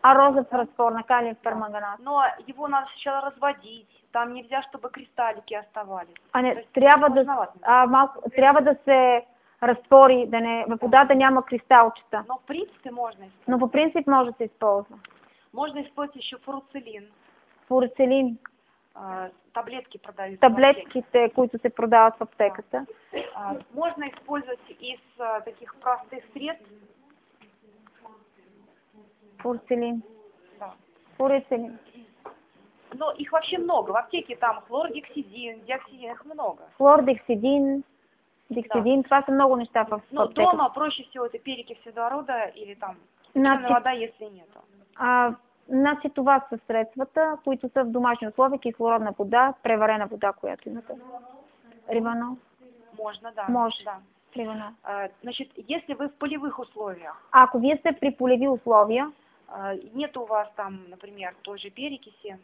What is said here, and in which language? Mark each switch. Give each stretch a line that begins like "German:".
Russian: А розовый раствор на калиферманганат. Но его надо сначала разводить. Там нельзя, чтобы кристаллики оставались.
Bulgarian: А не, трябва да се разтвори, да не, в вода да няма кристалчета.
Russian: Но в принципе можно использовать.
Bulgarian: Но по принцип може да се използва.
Russian: Можно использовать еще фуруцелин. Фуруцелин. Таблетки продают.
Bulgarian: Таблетките, които се продават в аптеката.
Russian: Можно использовать из таких простых средств. Фуруцелин. Да. Фуруцелин. Но их вообще много. В аптеке там хлордексидин, диоксидин, их много.
Bulgarian: Хлордексидин, диоксидин, да. Това са много неща
Russian: в аптеке. Но дома проще всего это перекись водорода или там кипяченая вода, если нету.
Bulgarian: Значи това са средствата, които са в домашни условия, кислородна вода, преварена вода, която имате.
Russian: Риванол? Можно, да.
Bulgarian: Може. Да. Риванол.
Russian: Значит, если вы в полевых условиях.
Bulgarian: А ако вие сте при полеви условия.
Russian: Нет у вас там, например, той же перекиси.